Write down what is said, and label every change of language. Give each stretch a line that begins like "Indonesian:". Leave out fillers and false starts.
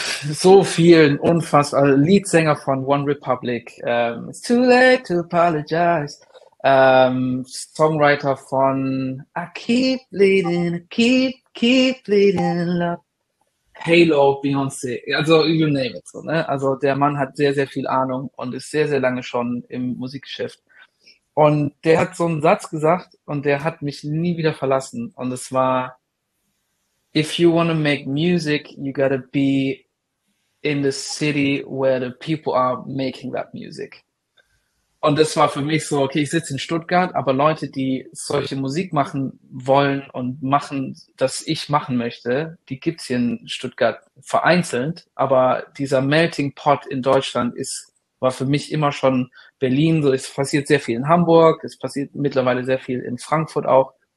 German: so vielen unfassbar, also Leadsänger von One Republic, It's too late to apologize, Songwriter von I keep bleeding, keep bleeding love, Halo, Beyoncé, also
English: you name it
German: so, ne? Also der Mann hat sehr, sehr viel Ahnung und ist sehr, sehr lange schon im Musikgeschäft. Und der hat so einen Satz gesagt und der hat mich nie wieder verlassen. Und es war,
English: if you want to make music, you gotta be in the city where the people are making that music.
German: Und das war für mich so, okay, ich sitze in Stuttgart, aber Leute, die solche Musik machen wollen und machen, das ich machen möchte, die gibt es hier in Stuttgart vereinzelt. Aber dieser Melting Pot in Deutschland ist, war für mich immer schon Berlin. So, es passiert sehr viel in Hamburg, es passiert mittlerweile sehr viel in Frankfurt auch.